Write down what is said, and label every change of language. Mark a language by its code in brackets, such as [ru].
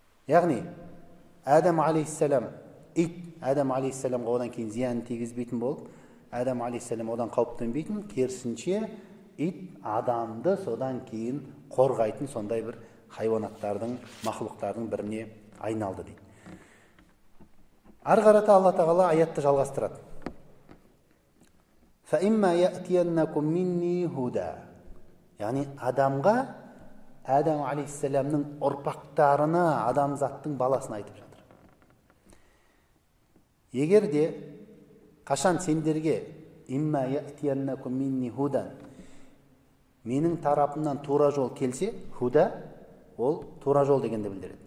[kk] Яғни Адам алейхиссалам, ит Адам алейхиссаламға одан кейін зиянын тигізбейтін болып, Адам алейхиссалам одан қауіптенбейтін, керісінше ит адамды содан кейін қорғайтын сондай бір хайуанаттардың, махлуқтардың біріне айналды дейді. Ары қарата Алла Тағала аятты жалғастырады. [ar] Фаимма яатиянакум минни худа. [kk] Яғни адамға, Адам алейхиссаламның ұрпақтарына, адамзаттың баласын айтып жатыр. Егер де қашан сендерге [ar] имма яатиянакум минни худан, [kk] менің тарапымнан тура жол келсе, худа ол тура жол дегенді білдіреді.